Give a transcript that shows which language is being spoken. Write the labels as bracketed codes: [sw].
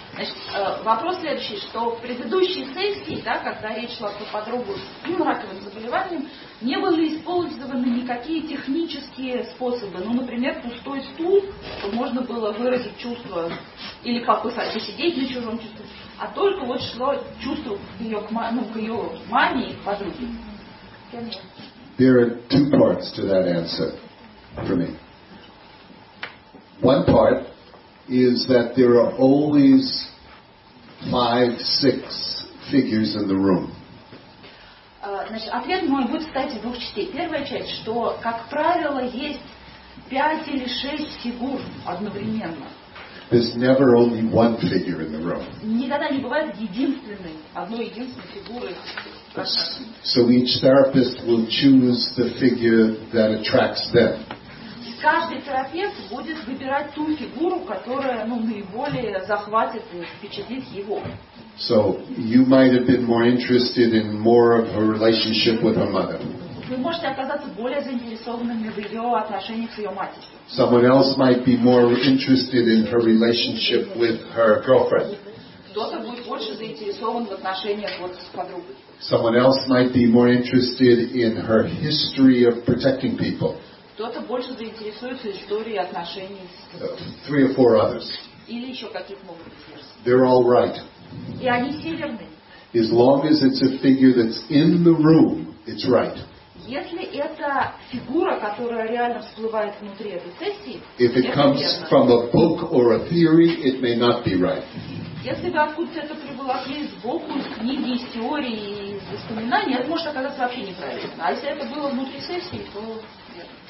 [ru] Значит, вопрос следующий, что в предыдущей сессии, да, когда речь шла про подругу с раковым заболеванием, не были использованы никакие технические способы. Ну, например, пустой стул, то можно было выразить чувство или покусать, посидеть на чужом чувстве, а только вот шло чувство ее к, ну, к ее маме и к подруге. [en] There are two parts to that answer for me. One part is that there are always 5-6 figures in the room. [ru] Значит, ответ мой будет состоять из двух частей. Первая часть, что, как правило, есть 5 или 6 фигур одновременно. [en] There's never only one figure in the room. [ru] Никогда не бывает единственной, одной единственной фигуры. [en] So each therapist will choose the figure that attracts them. [ru] Каждый терапевт будет выбирать ту фигуру, которая, ну, наиболее захватит и впечатлит его. [en] So you might have been more interested in more of her relationship with her mother. [ru] Вы можете оказаться более заинтересованными в ее отношениях с ее матерью. [en] Someone else might be more interested in her relationship with her girlfriend. [ru] Кто-то будет больше заинтересован в отношениях вот с подругой. [en] Someone else might be more interested in her history of protecting people. [ru] Кто-то больше заинтересуется историей отношений с... [en] Three or four others. [ru] Или еще каких-то могут быть. [en] They're all right. [ru] И они все верны. [en] As long as it's a figure that's in the room, it's right. [ru] Если это фигура, которая реально всплывает внутри этой сессии, это верно. [en] If it comes from a book or a theory, it may not be right. [ru] Если бы откуда-то это прибыло из боку, из книги, из теории, из воспоминаний, это может оказаться вообще неправильно. А если это было внутри сессии, то верно.